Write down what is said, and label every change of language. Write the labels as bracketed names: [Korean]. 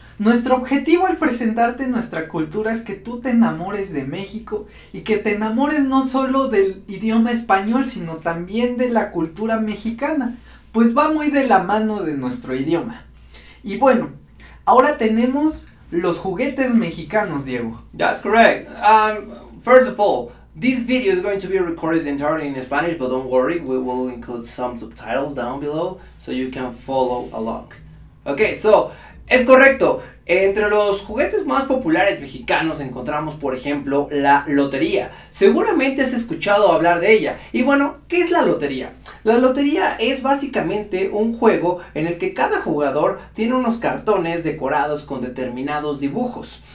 [Spanish] Nuestro objetivo al presentarte nuestra cultura es que tú te enamores de México y que te enamores no solo del idioma español, sino también de la cultura mexicana, pues va muy de la mano de nuestro idioma. Y bueno, ahora tenemos los juguetes mexicanos, Diego. [English] That's correct. First of all, this video is going to be recorded entirely in Spanish, but don't worry, we will include some subtitles down below so you can follow along. Okay, so, [Spanish] es correcto. Entre los juguetes más populares mexicanos encontramos, por ejemplo, la lotería. Seguramente has escuchado hablar de ella. Y bueno, ¿qué es la lotería? La lotería es básicamente un juego en el que cada jugador tiene unos cartones decorados con determinados dibujos.